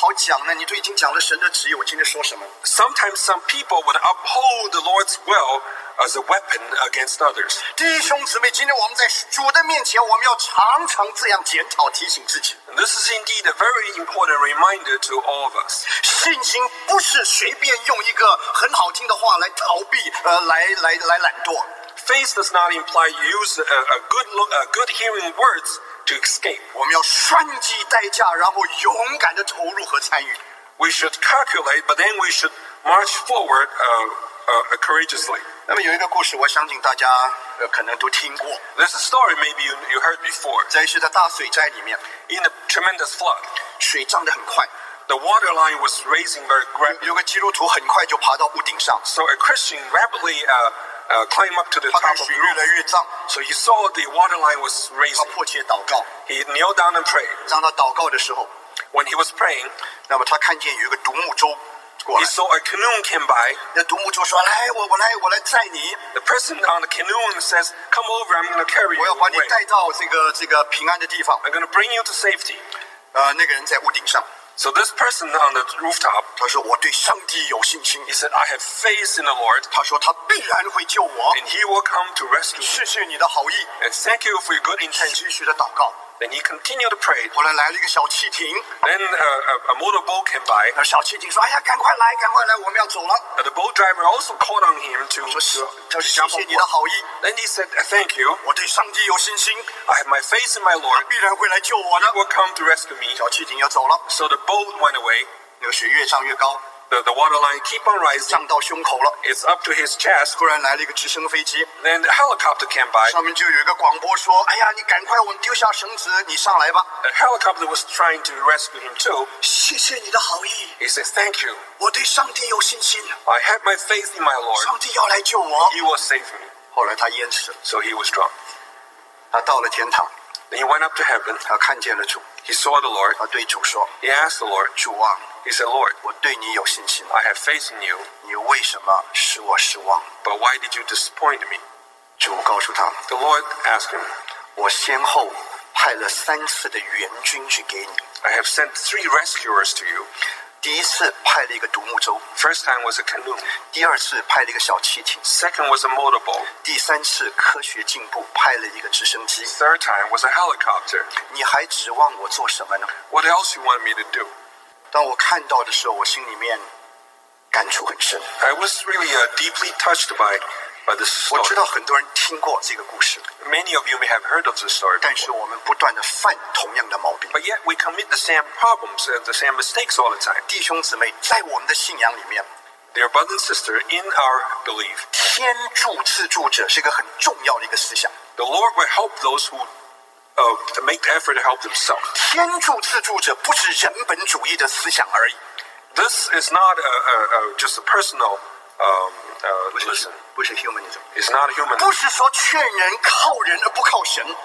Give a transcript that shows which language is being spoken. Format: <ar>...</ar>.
<zh>但是当我们今天一把神的旨意好像一个什么秘密武器一拿出来，我们还有什么好讲呢？你都已经讲了神的旨意，我今天说什么？</zh> <en>Sometimes some people would uphold the Lord's will as a weapon against others.</en> <zh>弟兄姊妹，今天我们在主的面前，我们要常常这样检讨提醒自己。</zh> <en>This is indeed a very important reminder to all of us.</en> <zh>信心不是随便用一个很好听的话来逃避，来懒惰。</zh> <en>Faith does not imply you use a good hearing words to escape.</en> <zh>我们要算计代价，然后勇敢地投入和参与。</zh> <en>We should calculate, but then we should march forward courageously.</en> <zh>那么有一个故事，我相信大家可能都听过。</zh> <en>There's a story maybe you heard before.</en> <zh>在一次的大水灾里面，</zh> <en>in a tremendous flood,</en> <zh>水涨得很快。</zh> <en>The water line was raising very rapidly.</en> <zh>有个基督徒很快就爬到屋顶上。</zh> <en>So a Christian rapidly climbed up to the top of the roof.</en> <zh>越来越涨。</zh> <en>So he saw the water line was raising.</en> <zh>他迫切祷告。</zh> <en>He kneeled down and prayed.</en> <zh>当他祷告的时候，</zh> <en>when he was praying,</en> <zh>那么他看见有一个独木舟。</zh> <en>He saw a canoe came by.</en> <zh>那独木舟说：“来，我来载你。”</zh> <en>The person on the canoe says, "Come over, I'm going to carry you."</en> <zh>我要把你带到这个平安的地方。</zh> <en>I'm going to bring you to safety.</en> <zh>那个人在屋顶上。</zh> <en>So this person on the rooftop,</en> <zh>他说：“我对上帝有信心。”</zh> <en>He said, "I have faith in the Lord."</en> <zh>他说：“他必然会救我。”</zh> <en>And he will come to rescue.</en> <zh>谢谢你的好意。</zh> <en>And thank you for your good intention.</en> <zh>继续的祷告。</zh> <en>Then he continued to pray.</en> <zh>后来来了一个小汽艇,</zh> <en>then a motorboat came by.</en> <zh>小汽艇说, 哎呀, 赶快来, 赶快来, 我们要走了。</zh> <en>And the boat driver also called on him to,</en> <zh>说, 谢谢你的好意。</zh> <en>Then he said, thank you.</en> <zh>我对上帝有信心,</zh> <en>I have my faith in my Lord.</en> <zh>他必然会来救我的。</zh> <en>He will come to rescue me.</en> <zh>小汽艇要走了。</zh> <en>So the boat went away.</en> <zh>那个水越上越高。</zh> <en>The water line keep on rising.</en> <zh>上到胸口了,</zh> <en>it's up to his chest.</en> <zh>忽然来了一个直升飞机,</zh> <en>then the helicopter came by.</en> <zh>上面就有一个广播说, 哎呀, 你赶快稳丢下绳子, 你上来吧。</zh> <en>The helicopter was trying to rescue him too.</en> <zh>谢谢你的好意。</zh> <en>He said, thank you.</en> <zh>我对上帝有信心。</zh> <en>I have my faith in my Lord.</en> <zh>上帝要来救我。</zh> <en>He will save me.</en> <zh>后来他淹死了。</zh> <en>So he was drunk.</en> <zh>他到了天堂。</zh> <en>Then he went up to heaven.</en> <zh>他看见了主。</zh> <en>He saw the Lord.</en> <zh>他对主说,</zh> <en>he asked the Lord,</en> <zh>主啊,</zh> <en>he said, Lord,</en> <zh>我对你有信心,</zh> <en>I have faith in you.</en> <zh>你为什么使我失望?</zh> <en>But why did you disappoint me?</en> <zh>主告诉他,</zh> <en>the Lord asked him,</en> <zh>我先后派了三次的援军去给你。</zh> <en>I have sent three rescuers to you.</en> <zh>第一次派了一个独木舟。</zh> <en>First time was a canoe.</en> <zh>第二次派了一个小汽艇。</zh> <en>Second was a motorboat.</en> <zh>第三次科学进步派了一个直升机。</zh> <en>Third time was a helicopter.</en> <zh>你还指望我做什么呢?</zh> <en>What else you want me to do?</en> <zh>当我看到的时候，我心里面感触很深。</zh> <en>I was really deeply touched by this story.</en> <zh>我知道很多人听过这个故事。</zh> <en>Many of you may have heard of this story.</en> <zh>但是我们不断地犯同样的毛病。</zh> <en>But yet we commit the same problems and the same mistakes all the time.</en> <zh>弟兄姊妹，在我们的信仰里面。</zh> <en>Dear brother and sister, in our belief.</en> <zh>天助自助者是一个很重要的一个思想。</zh> <en>The Lord will help those who to make the effort to help themselves.</en> <zh>天助自助者不是人本主义的思想而已。</zh> <en>This is not just a personal listen.</en> <zh>不是 humanism.</zh> <en>It's not human.</en> <zh>不是说劝人靠人而不靠神。</zh>